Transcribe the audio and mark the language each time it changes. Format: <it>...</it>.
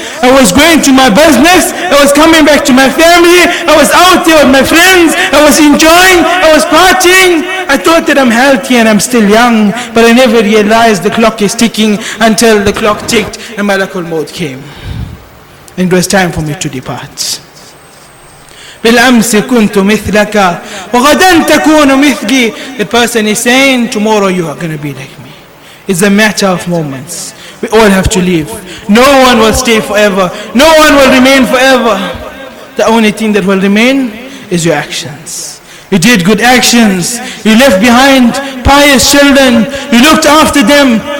<en>I was going to my business. I was coming back to my family. I was out there with my friends. I was enjoying. I was partying. I thought that I'm healthy and I'm still young, but I never realized the clock is ticking until the clock ticked and Malakul Maud came. And it was time for me to depart.</en> <ar>بالأمس كنت مثلك وغدا تكون مثلي.</ar> <en>The person is saying, tomorrow you are going to be like me. It's a matter of moments. We all have to leave. No one will stay forever. No one will remain forever. The only thing that will remain is your actions. You did good actions. You left behind pious children. You looked after them.</en>